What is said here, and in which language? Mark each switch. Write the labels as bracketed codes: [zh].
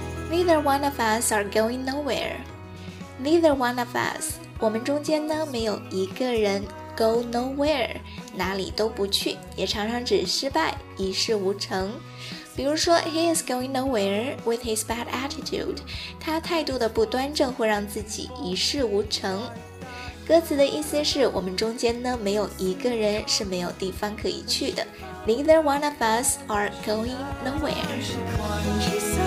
[en] Neither one of us are going nowhere. Neither one of us, [zh] 我们中间呢没有一个人 [en] go nowhere, [zh] 哪里都不去，也常常指失败，一事无成。比如说 [en] He is going nowhere with his bad attitude. [zh] 他态度的不端正会让自己一事无成。歌词的意思是我们中间呢没有一个人是没有地方可以去的。 [en] Neither one of us are going nowhere.